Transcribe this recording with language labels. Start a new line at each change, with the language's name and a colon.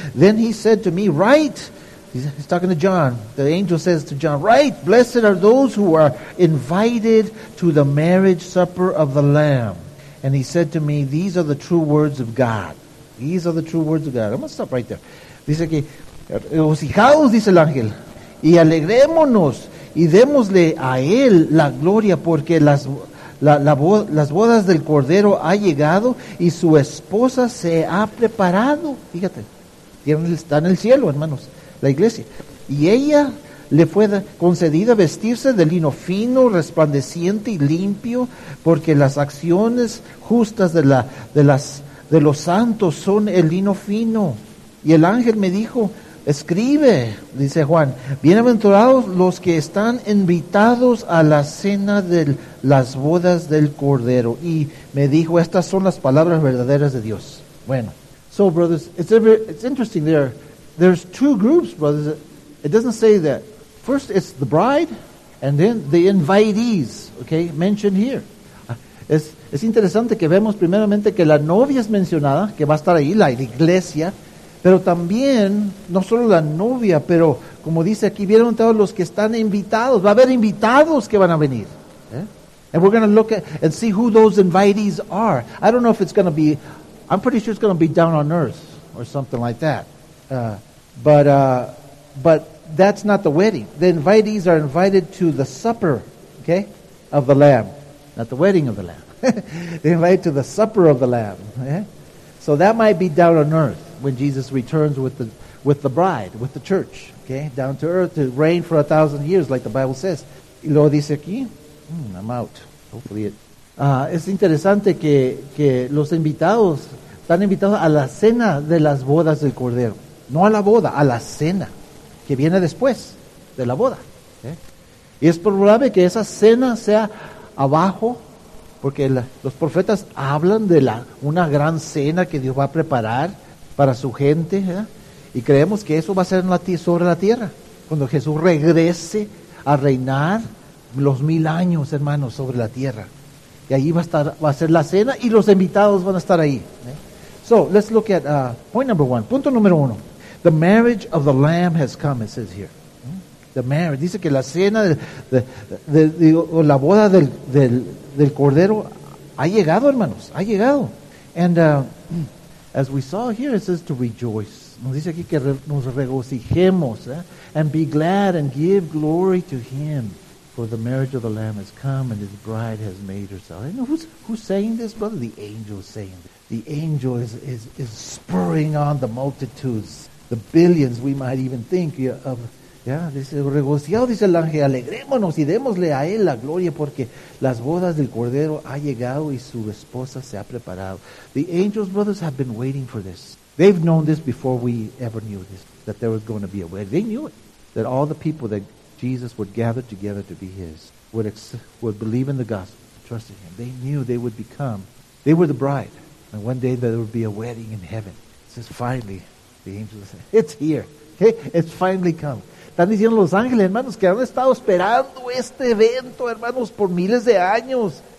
English: Then he said to me, write. He's talking to John. The angel says to John, write, blessed are those who are invited to the marriage supper of the Lamb. And he said to me, these are the true words of God. These are the true words of God. I'm going to stop right there.
Spanish: Dice que, regocijaos, dice el ángel, y alegrémonos, y démosle a él la gloria, porque las bodas del Cordero ha llegado, y su esposa se ha preparado. Fíjate, está en el cielo, hermanos. La iglesia. Y ella le fue concedida vestirse de lino fino, resplandeciente y limpio, porque las acciones justas de los santos son el lino fino. Y el ángel me dijo, escribe, dice Juan, bienaventurados los que están invitados a la cena de las bodas del Cordero. Y me dijo, estas son las palabras verdaderas de Dios.
English: Bueno. So, brothers, it's interesting there. There's two groups, brothers. It doesn't say that. First, it's the bride, and then the invitees, okay, mentioned here.
Spanish: Es interesante que vemos primeramente que la novia es mencionada, que va a estar ahí, la iglesia, pero también, no solo la novia, pero como dice aquí, vienen todos los que están invitados. Va a haber invitados que van a venir. Eh?
English: And we're going to look at and see who those invitees are. I don't know if it's going to be, I'm pretty sure it's going to be down on earth or something like that. But that's not the wedding. The invitees are invited to the supper, okay, of the Lamb. Not the wedding of the Lamb. They're invited to the supper of the Lamb. Yeah? So that might be down on earth when Jesus returns with the bride, with the church, okay, down to earth to reign for 1,000 years, like the Bible says.
Spanish: Y luego dice aquí,
English: I'm out. Hopefully it.
Spanish: Es interesante que los invitados están invitados a la cena de las bodas del Cordero. No a la boda, a la cena, que viene después de la boda. ¿Okay? Y es probable que esa cena sea abajo, porque los profetas hablan de una gran cena que Dios va a preparar para su gente. ¿Eh? Y creemos que eso va a ser sobre la tierra, cuando Jesús regrese a reinar los 1,000 años, hermanos, sobre la tierra. Y ahí va a ser la cena y los invitados van a estar ahí.
English: ¿Eh? So, let's look at point number one,
Spanish: punto número uno.
English: The marriage of the Lamb has come, it says here. The marriage.
Spanish: Dice que la cena de la boda del Cordero ha llegado, hermanos. Ha llegado.
English: And as we saw here, it says to rejoice.
Spanish: Nos dice aquí que nos regocijemos.
English: Eh? And be glad and give glory to him. For the marriage of the Lamb has come and his bride has made herself. You know, who's saying this, brother? The angel is saying this. The angel is spurring on the multitudes. The billions, we might even think of.
Spanish: Yeah, dice, regocijado, dice el ángel, alegrémonos y démosle a él la gloria porque las bodas del Cordero ha llegado y su esposa se ha preparado.
English: The angels, brothers, have been waiting for this. They've known this before we ever knew this, that there was going to be a wedding. They knew it, that all the people that Jesus would gather together to be his would believe in the gospel, trust in him. They knew they would become, they were the bride. And one day there would be a wedding in heaven. It says, finally, the angels say, it's here. Okay? It's finally come.
Spanish: Están diciendo los ángeles, hermanos, que han estado esperando este evento, hermanos, por miles de años.